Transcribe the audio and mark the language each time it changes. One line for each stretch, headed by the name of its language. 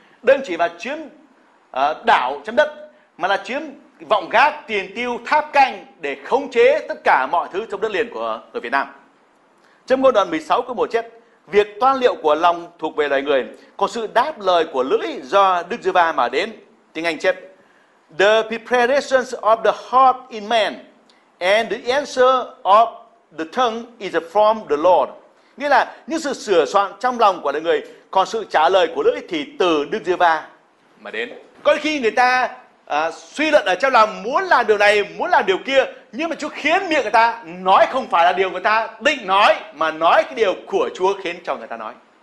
Vietnamese: Đơn chỉ là chiếm đảo chấm đất, mà là chiếm vọng gác, tiền tiêu, tháp canh để khống chế tất cả mọi thứ trong đất liền của người Việt Nam. Trong ngôn đoạn 16 câu 1 chép, việc toan liệu của lòng thuộc về loài người, còn sự đáp lời của lưỡi do Đức Giê-hô-va mà đến. Tiếng Anh chép,
English: the preparations of the heart in man and the answer of the tongue is from the Lord.
Vietnamese: Nghĩa là những sự sửa soạn trong lòng của loài người, còn sự trả lời của lưỡi thì từ Đức Giê-hô-va mà đến. Có khi người ta suy luận ở trong lòng muốn làm điều này, muốn làm điều kia, nhưng mà Chúa khiến miệng người ta nói không phải là điều người ta định nói, mà nói cái điều của Chúa khiến cho người ta nói.